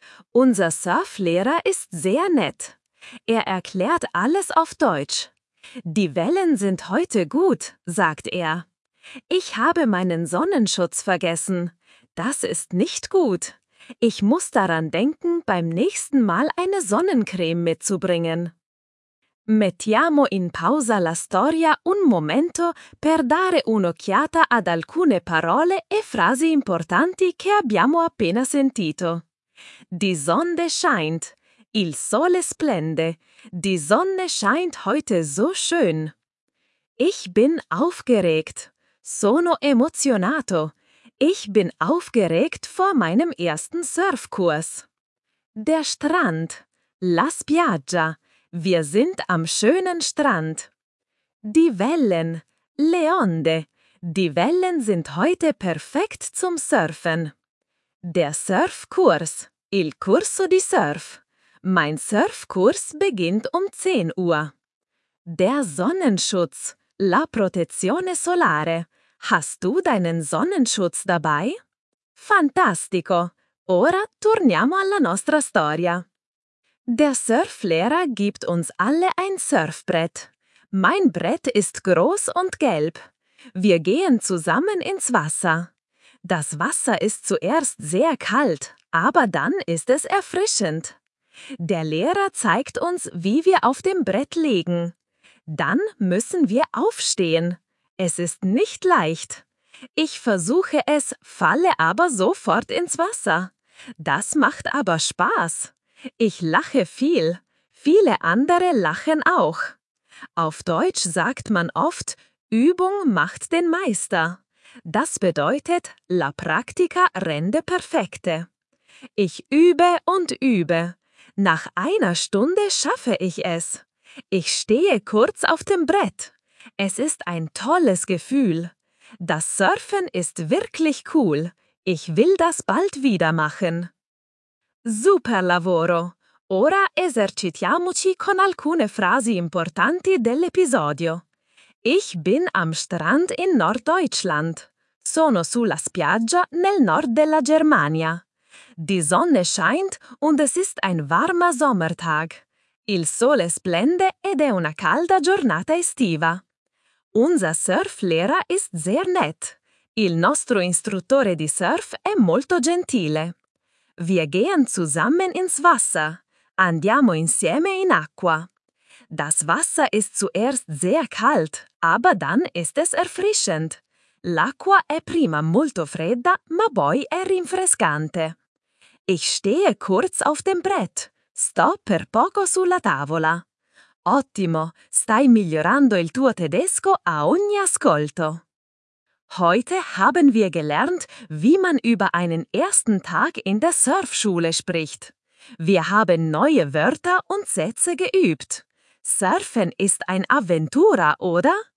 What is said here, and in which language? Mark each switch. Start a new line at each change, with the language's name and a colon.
German: Unser Surflehrer ist sehr nett. Er erklärt alles auf Deutsch. Die Wellen sind heute gut, sagt er. Ich habe meinen Sonnenschutz vergessen. Das ist nicht gut. Ich muss daran denken, beim nächsten Mal eine Sonnencreme mitzubringen.
Italian: Mettiamo in pausa la storia un momento per dare un'occhiata ad alcune parole e frasi importanti che abbiamo appena sentito.
German: Die Sonne scheint.
Italian: Il sole splende.
German: Die Sonne scheint heute so schön. Ich bin aufgeregt.
Italian: Sono emozionato.
German: Ich bin aufgeregt vor meinem ersten Surfkurs. Der Strand.
Italian: La spiaggia.
German: Wir sind am schönen Strand. Die Wellen.
Italian: Le onde.
German: Die Wellen sind heute perfekt zum Surfen. Der Surfkurs.
Italian: Il corso di surf.
German: Mein Surfkurs beginnt um 10 Uhr. Der Sonnenschutz.
Italian: La protezione solare.
German: Hast du deinen Sonnenschutz dabei?
Italian: Fantastico! Ora torniamo alla nostra storia.
German: Der Surflehrer gibt uns alle ein Surfbrett. Mein Brett ist groß und gelb. Wir gehen zusammen ins Wasser. Das Wasser ist zuerst sehr kalt, aber dann ist es erfrischend. Der Lehrer zeigt uns, wie wir auf dem Brett liegen. Dann müssen wir aufstehen. Es ist nicht leicht. Ich versuche es, falle aber sofort ins Wasser. Das macht aber Spaß. Ich lache viel. Viele andere lachen auch. Auf Deutsch sagt man oft, Übung macht den Meister. Das bedeutet,
Italian: la practica rende perfecte.
German: Ich übe und übe. Nach einer Stunde schaffe ich es. Ich stehe kurz auf dem Brett. Es ist ein tolles Gefühl. Das Surfen ist wirklich cool. Ich will das bald wieder machen.
Italian: Super lavoro! Ora esercitiamoci con alcune frasi importanti dell'episodio.
German: Ich bin am Strand in Norddeutschland.
Italian: Sono sulla spiaggia nel nord della Germania.
German: Die Sonne scheint und es ist ein warmer Sommertag.
Italian: Il sole splende ed è una calda giornata estiva.
German: Unser Surflehrer ist sehr nett.
Italian: Il nostro istruttore di surf è molto gentile.
German: Wir gehen zusammen ins Wasser.
Italian: Andiamo insieme in acqua.
German: Das Wasser ist zuerst sehr kalt, aber dann ist es erfrischend.
Italian: L'acqua è prima molto fredda, ma poi è rinfrescante.
German: Ich stehe kurz auf dem Brett.
Italian: Sto per poco sulla tavola. Ottimo, stai migliorando il tuo tedesco a ogni ascolto.
German: Heute haben wir gelernt, wie man über einen ersten Tag in der Surfschule spricht. Wir haben neue Wörter und Sätze geübt. Surfen ist ein Aventura, oder?